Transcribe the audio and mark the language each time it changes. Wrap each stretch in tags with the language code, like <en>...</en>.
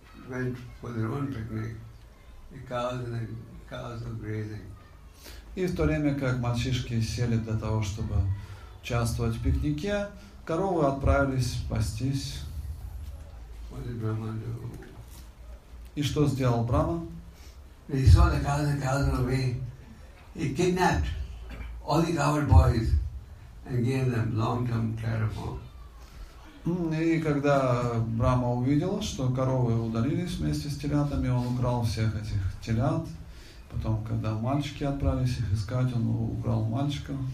<en>Went for their own picnic, the cows were grazing.</en> <ru>И в то время как мальчишки сели для того, чтобы участвовать в пикнике, коровы отправились пастись.</ru> <en>What did Brahma do?</en> <ru>И что сделал Брахма?</ru> <en>He saw the cows were away. He kidnapped all the cowherd boys and gave them long-term care for.</en> <ru>И когда Брахма увидел, что коровы удалились вместе с телятами, он украл всех этих телят. Потом, когда мальчики отправились их искать, он украл мальчика.</ru>